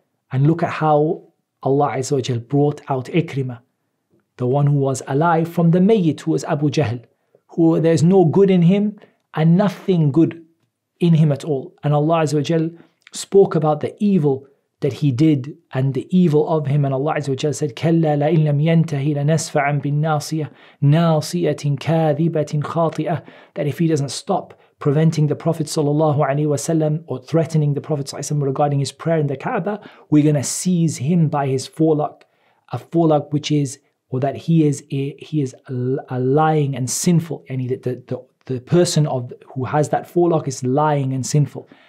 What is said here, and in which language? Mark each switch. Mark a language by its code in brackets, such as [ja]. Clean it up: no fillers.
[en] And look at how Allah Azza wa Jal brought out Ikrimah, the one who was alive, from the Mayyit, who was Abu Jahl, who there's no good in him and nothing good in him at all. And Allah Azza wa Jal spoke about the evil that he did and the evil of him. And Allah Azza wa Jal said, [ar] كَلَّا لَإِنْ لَمْ يَنْتَهِ لَنَسْفَعًا بِالنَّاصِيَةٍ نَاصِيَةٍ كَاذِبَةٍ خَاطِئَةٍ. [en] That if he doesn't stop preventing the Prophet sallallahu alaihi wasallam, or threatening the Prophet sallallahu alaihi wasallam regarding his prayer in the Kaaba, we're going to seize him by his forelock, a forelock which is, or that he is a lying and sinful. And the person of who has that forelock is lying and sinful.